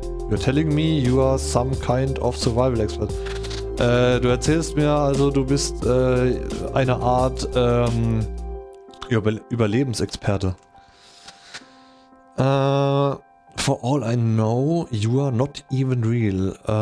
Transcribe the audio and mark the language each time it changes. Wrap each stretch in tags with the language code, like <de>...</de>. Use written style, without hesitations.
<en>You're telling me you are some kind of survival expert.</en> <de>Du erzählst mir also, du bist eine Art Überlebensexperte.</de> <en>For all I know, you are not even real.</en>